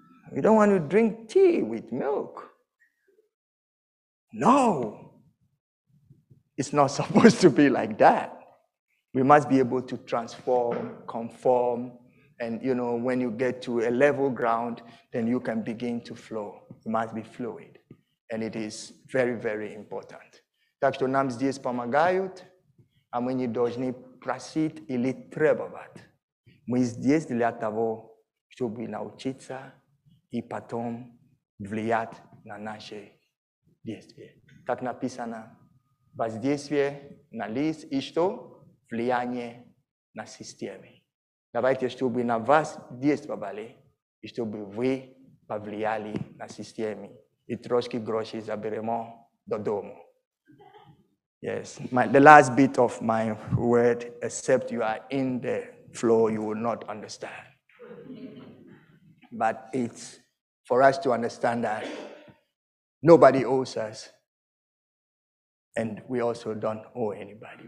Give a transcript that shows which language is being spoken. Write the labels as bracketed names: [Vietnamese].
[English] We don't want to drink tea with milk. No, it's not supposed to be like that. We must be able to transform, conform, and you know, when you get to a level ground, then you can begin to flow. You must be fluid. And it is very, very important. [Russian] Так что нам здесь помогают, а мы не должны просить или требовать. Мы здесь для того, чтобы научиться и потом влиять на наши действия. Так написано, воздействие на лиц и что? Влияние на системе. Давайте, чтобы на вас действовали, и чтобы вы повлияли на системе. [Ukrainian] И трошки гроши заберемо до дому. [English] Yes, the last bit of my word, except you are in the flow, you will not understand. But it's for us to understand that nobody owes us, and we also don't owe anybody.